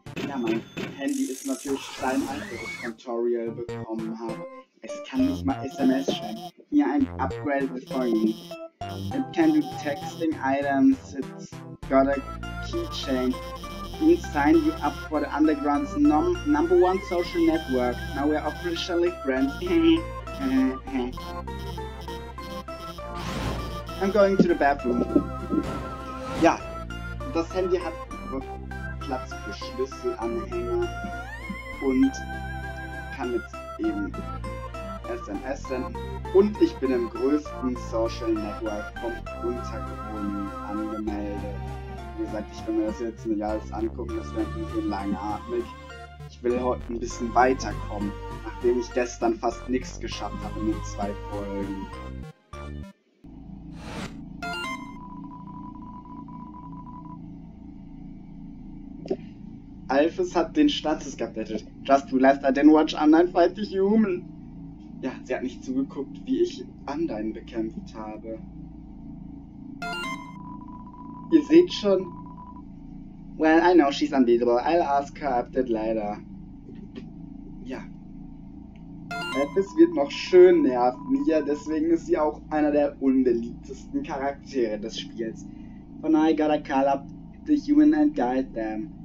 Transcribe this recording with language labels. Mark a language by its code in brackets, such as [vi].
[de] Ja, mein Handy ist natürlich steinalt, als ich ein Tutorial bekommen habe. Es kann nicht mal SMS schreiben. Hier ein Upgrade [en] for you. It can do texting items. It's got a keychain. Been signed you up for the Underground's number one social network. Now we're officially friends. I'm going to the bathroom. [de] Ja, das Handy hat Platz für Schlüsselanhänger und kann jetzt eben SMS senden. Und ich bin im größten Social Network vom Untergrund angemeldet. Wie gesagt, ich will mir das jetzt nicht alles angucken, das wäre ein bisschen langatmig. Ich will heute ein bisschen weiterkommen, nachdem ich gestern fast nichts geschafft habe in den 2 Folgen. Alphys hat den Status geupdatet. [en] Just realized I didn't watch Undyne fight the human. [de] Ja, sie hat nicht zugeguckt, wie ich Undyne bekämpft habe. Ihr seht schon. [en] Well, I know she's unbeatable. I'll ask her update later. [de] Ja. Alphys wird noch schön nerven. Ja, deswegen ist sie auch einer der unbeliebtesten Charaktere des Spiels. [en] For now I gotta call up the human and guide them.